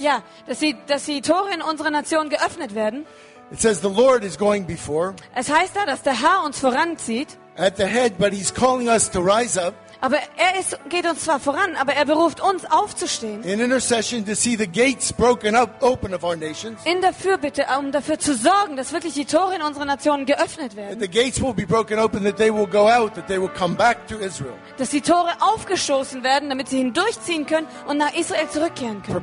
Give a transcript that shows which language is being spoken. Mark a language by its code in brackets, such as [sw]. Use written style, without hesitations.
[de] Ja, dass die Tore in unserer Nation geöffnet werden. [en] It says the Lord is going before. [de] Es heißt da, dass der Herr uns voranzieht. [en] At the head, but he's calling us to rise up. [de] Aber er ist, geht uns zwar voran, aber er beruft uns aufzustehen. [en] In intercession to see the gates broken up, open of our nations. [de] In der Fürbitte, um dafür zu sorgen, dass wirklich die Tore in unserer Nation geöffnet werden. [en] That the gates will be broken open, that they will go out, that they will come back to Israel. [de] Dass die Tore aufgestoßen werden, damit sie hindurchziehen können und nach Israel zurückkehren können.